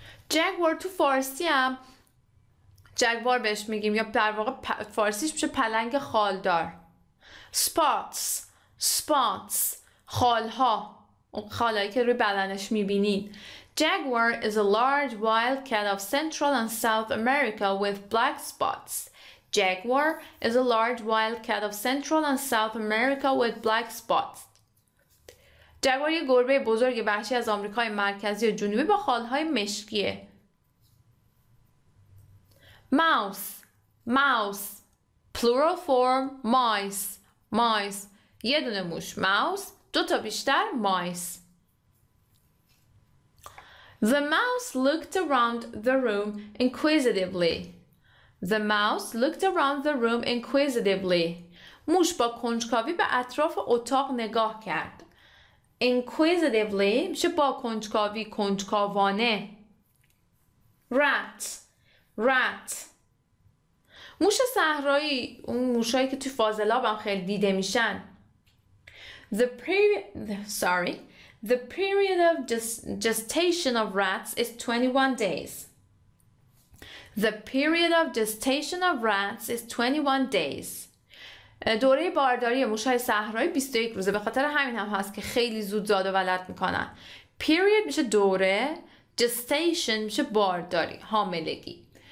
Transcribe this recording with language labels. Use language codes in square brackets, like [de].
[fa] Jaguar تو فارسی هم جگوار بهش میگیم، یا در واقع فارسیش میشه پلنگ خالدار. [en] Spots. [fa] خالها، خالایی که روی بدنش میبینید. [en] Jaguar is a large wild cat of Central and South America with black spots. Jaguar is a large wild cat of Central and South America with black spots. [fa] جگوار یه گربه بزرگ وحشی از آمریکای مرکزی و جنوبی با خالهای مشکیه. [en] Mouse. Plural form mice. [fa] یه دونه موش mouse، دو تا بیشتر mice. [en] The mouse looked around the room inquisitively. The mouse looked around the room inquisitively. [fa] موش با کنجکاوی به اطراف اتاق نگاه کرد. [en] Inquisitively [fa] میشه با کنجکاوی، کنجکاوانه. [en] Rat. [fa] موش صحرایی، اون موشایی که تو فاضلاب هم خیلی دیده میشن. [en] The period of gestation of rats is 21 days. The period of gestation of rats is 21 days. [fa] دوره بارداری موشای صحرایی 21 روزه، به خاطر همین هم هست که خیلی زود زاد و ولد میکنن. Period میشه دوره، gestation میشه بارداری، حاملگی.